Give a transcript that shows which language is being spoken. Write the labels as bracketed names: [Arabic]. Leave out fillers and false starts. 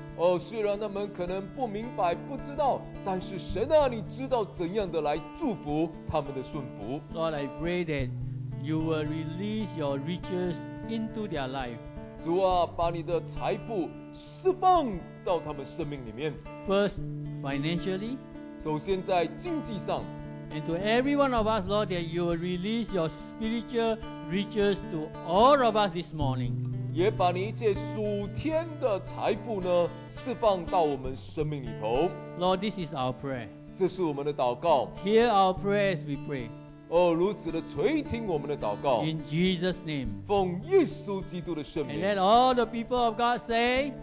[Chinese] 哦，虽然他们可能不明白、不知道，但是神啊，你知道怎样的来祝福他们的顺服。 [English] Lord, I pray that you will release your riches into their life. [Chinese] 主啊，把你的财富释放到他们生命里面。 [English] First, financially. [Chinese] 首先在经济上。 [English] And to every one of us, Lord, that you will release your spiritual riches to all of us this morning. [Chinese] 也把你一切属天的财富呢，释放到我们生命里头。 [English] Lord, this is our prayer. [Chinese] 这是我们的祷告。 [English] Hear our prayers, we pray. [Chinese] 哦，如此的垂听我们的祷告。 [English] In Jesus' name. [Chinese] 奉耶稣基督的圣名。 [English] And let all the people of God say.